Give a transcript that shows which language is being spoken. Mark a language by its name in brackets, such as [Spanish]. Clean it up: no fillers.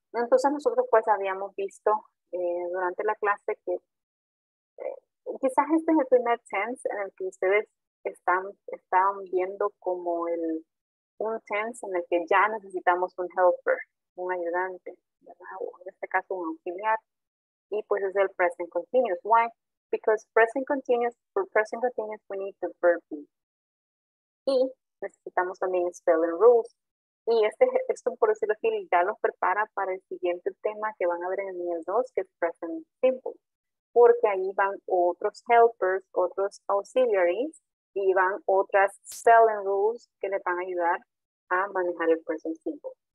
[Spanish] Entonces nosotros pues habíamos visto durante la clase que quizás este es el primer tense en el que ustedes están viendo como un tense en el que ya necesitamos un helper, un ayudante, ¿verdad? O en este caso un auxiliar, y pues es el present continuous. Why? [English] Because for present continuous, we need the verb be. [Spanish] Y necesitamos también spelling rules. Y esto, por decirlo así, ya los prepara para el siguiente tema que van a ver en el nivel 2, que es present simple. Porque ahí van otros helpers, otros auxiliaries, y van otras spelling rules que les van a ayudar a manejar el present simple.